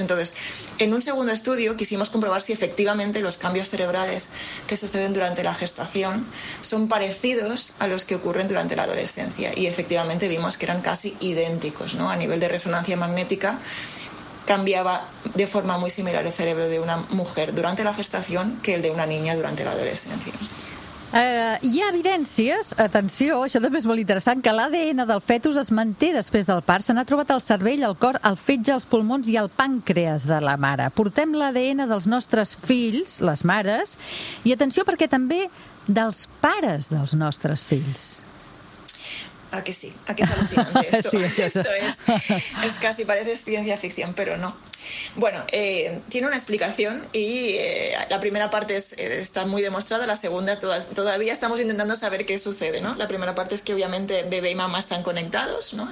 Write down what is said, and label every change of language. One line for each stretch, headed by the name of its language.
Spanish: Entonces, en un segundo estudio quisimos comprobar si efectivamente los cambios cerebrales que suceden durante la gestación son parecidos a los que ocurren durante la adolescencia. Y efectivamente vimos que eran casi idénticos, ¿no? A nivel de resonancia magnética cambiaba de forma muy similar el cerebro de una mujer durante la gestación que el de una niña durante la adolescencia.
Catalan: Hi ha evidències, atenció, això també és molt interessant, que l'ADN del fetus es manté després del part. Se n'ha trobat al cervell, al cor, al fetge, als pulmons i al pàncreas de la mare. Portem l'ADN dels nostres fills, les mares, i atenció perquè també dels pares dels nostres fills.
Spanish: ¿A que sí? ¿A que es alucinante esto? Sí, eso. Esto es casi, parece ciencia ficción, pero no. Bueno, tiene una explicación y la primera parte está muy demostrada, la segunda todavía estamos intentando saber qué sucede, ¿no? La primera parte es que obviamente bebé y mamá están conectados, ¿no?